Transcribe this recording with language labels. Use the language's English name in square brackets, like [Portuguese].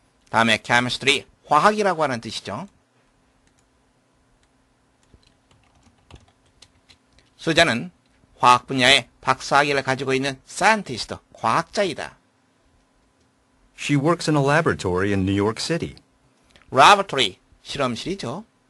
[Korean] 다음에 chemistry, 화학이라고 하는 뜻이죠. 수잔은 화학 분야에 박사학위를 가지고 있는 scientist, 과학자이다. [English] She works in a laboratory in New York City. [Korean] Laboratory, 실험실이죠.